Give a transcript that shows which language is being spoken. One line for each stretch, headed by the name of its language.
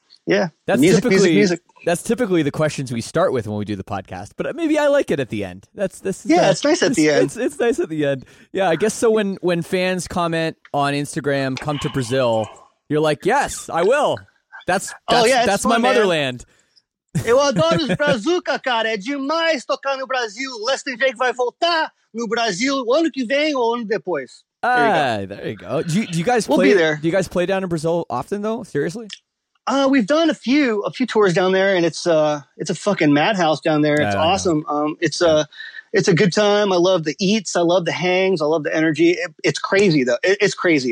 English: That's music. That's typically the questions we start with when we do the podcast, but maybe I like it at the end. It's nice at the end. Yeah, I guess so. When fans comment on Instagram, come to Brazil, you're like, yes, I will. That's fun, my motherland.
Portuguese: Eu adoro os brazuca, cara. É demais tocar no Brasil. Lester Jake vai voltar no Brasil ano que vem ou ano depois.
English: There you go. Do you guys play down in Brazil often though? Seriously. We've done a few tours down there, and it's a fucking madhouse down there. It's awesome. It's a good time. I love the eats. I love the hangs. I love the energy. It's crazy though. It's crazy.